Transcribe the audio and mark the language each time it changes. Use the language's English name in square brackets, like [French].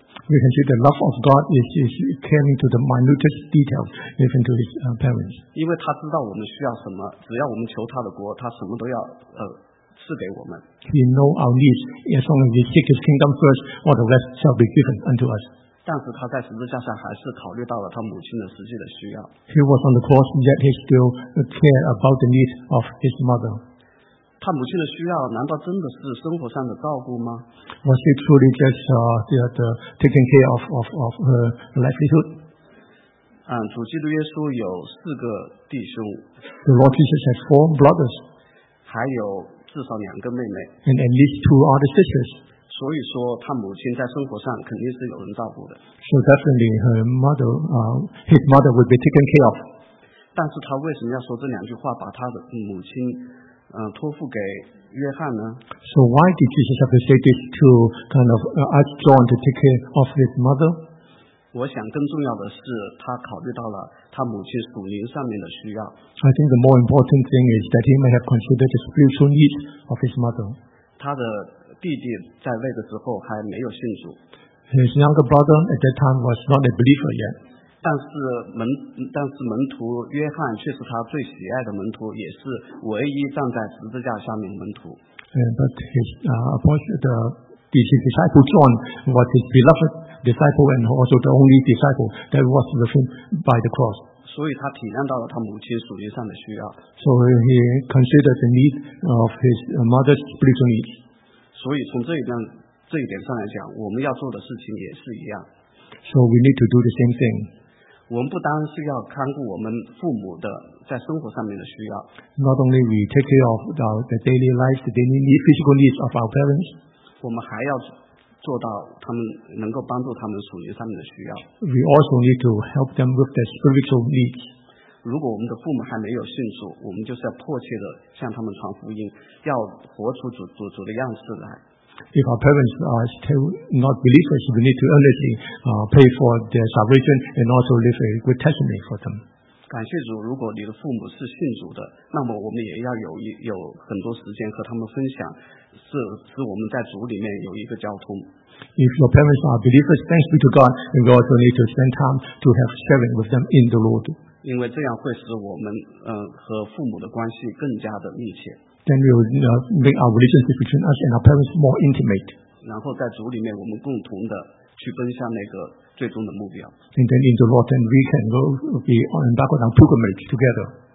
[English] We can see the love of God is caring to the minutest details, even to his parents. [Chinese] 因为他知道我们需要什么，只要我们求他的国，他什么都要赐给我们。 [English] He knows our needs. As long as we seek his kingdom first, all the rest shall be given unto us. [Chinese] 但是他在十字架上还是考虑到了他母亲的实际的需要。 [English] He was on the cross, yet he still cared about the needs of his mother. [Chinese] 他母亲的需要难道真的是生活上的照顾吗？ [English] Was he truly just taking care of her livelihood? [Chinese] 主基督耶稣有四个弟兄。 [English] The Lord Jesus has four brothers. [Chinese] 还有至少两个妹妹。 [English] And at least two other sisters. [Chinese] 所以说他母亲在生活上肯定是有人照顾的。 [English] So definitely her mother, his mother would be taken care of. [Chinese] 但是他为什么要说这两句话，把他的母亲托付给约翰呢？ [English] So why did Jesus have to say this to kind of ask John to take care of his mother? [Chinese] 我想更重要的是他考虑到了他母亲属灵上面的需要。 [English] I think the more important thing is that he may have considered the spiritual needs of his mother. [Chinese] 他的弟弟在位的时候还没有信主。 [English] His younger brother at that time was not a believer yet. [Chinese] 但是门徒约翰却是他最喜爱的门徒，也是唯一站在十字架上面的门徒。 [English] But his apostle, the disciple John was his beloved disciple and also the only disciple that was with him by the cross. [Chinese] 所以他体谅到了他母亲属灵上的需要。 [English] So he considered the need of his mother's spiritual needs. [Chinese] 所以从这一点上来讲，我们要做的事情也是一样。 [English] So we need to do the same thing. [Chinese] 我们不单是要看顾我们父母的在生活上面的需要。 [English] Not only we take care of the daily life, the daily need, physical needs of our parents. [Chinese] 我们还要做到他们能够帮助他们属灵上面的需要。 [English] We also need to help them with their spiritual needs. [Chinese] 如果我们的父母还没有信主，我们就是要迫切的向他们传福音，要活出主的样式来。 [English] If our parents are still not believers, we need to earnestly pray for their salvation and also leave a good testimony for them. [Chinese] 感谢主，如果你的父母是信主的，那么我们也要有很多时间和他们分享，使我们在主里面有一个交通。 [English] If your parents are believers, thanks be to God, and we also need to spend time to have sharing with them in the Lord. [Chinese] 因为这样会使我们和父母的关系更加的密切。 [English] Then we will make our relationship between us and our parents more intimate. [Chinese] 然后在主里面，我们共同的去奔向那个最终的目标。 [English] And then in the Lord, then we can go be on back on pilgrimage together.